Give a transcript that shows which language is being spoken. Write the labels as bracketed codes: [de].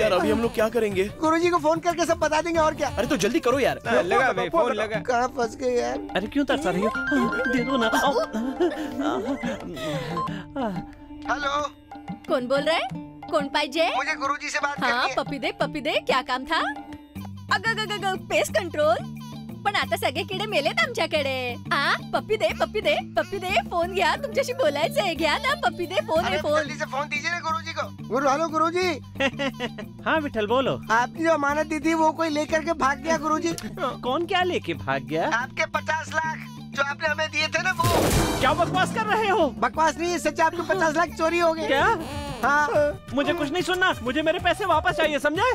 [hi] यार अभी हम लोग क्या करेंगे गुरुजी को फोन करके सब बता देंगे और क्या अरे तो जल्दी करो यार लगा भाई फोन लगा कहां फंस गए यार अरे क्यों तरस रही हो दे दो ना हेलो कौन बोल रहा है कौन पाई जे मुझे गुरुजी से बात करनी है [mr] हां पपी दे क्या काम था पेस्ट कंट्रोल पण आता सगळे किडे मेले तुमच्याकडे आ पप्पी दे फोन घ्या तुमच्याशी बोलायचं आहे घ्या ना पप्पी दे फोन [hi] आहे फोन जल्दी से फोन दीजिए ना गुरुजी को गुरु हेलो गुरुजी हां विठल बोलो आपने जो अमानत दी थी वो कोई लेकर के भाग गया गुरुजी कौन क्या लेके भाग गया आपके 50 लाख जो आपने हमें दिए थे ना वो क्या बकवास कर रहे हो बकवास नहीं है सच्चा आपके 50 लाख चोरी हो गए क्या हाँ। मुझे कुछ नहीं सुनना मुझे मेरे पैसे वापस चाहिए समझे